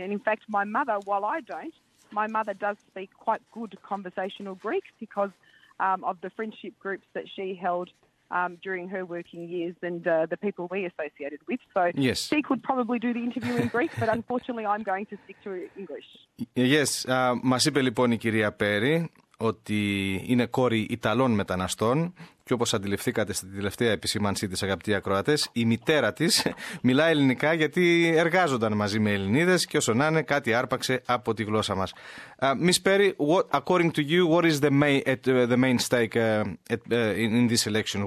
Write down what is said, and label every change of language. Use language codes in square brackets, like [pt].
[en] And in fact, my mother, while I don't, my mother does speak quite good conversational Greek because of the friendship groups that she held during her working years and the people we associated with. So yes, she could probably do the interview in Greek, but unfortunately I'm going to stick to English. [el] Yes, μας είπε λοιπόν η κυρία Πέρι ότι είναι κόρη Ιταλών μεταναστών και όπως αντιληφθήκατε στην τελευταία επισήμανσή της, αγαπητοί ακροατές, η μητέρα της μιλά ελληνικά γιατί εργάζονταν μαζί με Ελληνίδες και όσο να είναι κάτι άρπαξε από τη γλώσσα μας. [en] Miss Perry, what, according to you, what is the main, the main stake in this election?